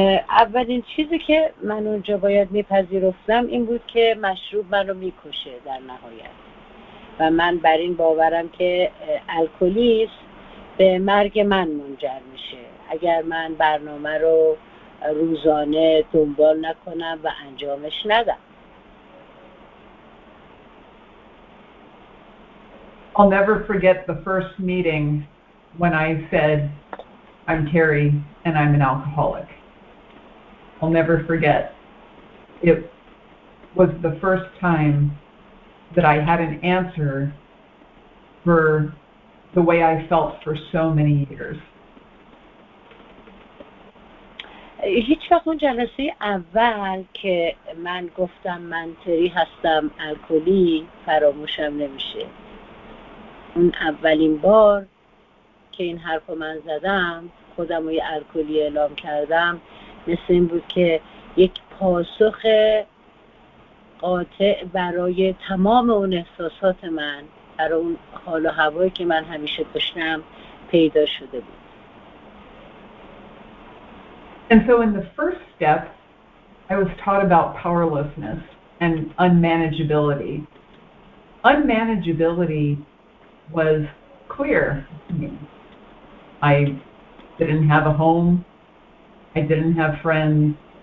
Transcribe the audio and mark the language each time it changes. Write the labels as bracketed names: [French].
[Persian] اولین چیزی که من اونجا باید میپذیرفتم این بود که مشروب من رو میکشه در نهایت، و من بر این باورم که الکلیسم به مرگ من منجر میشه اگر من برنامه رو روزانه دنبال نکنم و انجامش ندم. [English] I'll never forget the first meeting when I said, I'm Terry and I'm an alcoholic. I'll never forget. It was the first time that I had an answer for the way I felt for so many years. [Persian] هیچ وقت اون جلسه اول که من گفتم من تری هستم الکلی فراموشم نمیشه. اون اولین بار که این حرف رو من زدم، خودم رو یه الکلی اعلام کردم، مثل این بود که یک پاسخ قاطع برای تمام اون احساسات من، برای اون حال و هوایی که من همیشه داشتم پیدا شده بود. [English] And so in the first step, I was taught about powerlessness and unmanageability. Unmanageability was clear to me. I didn't have a home. I didn't have friends.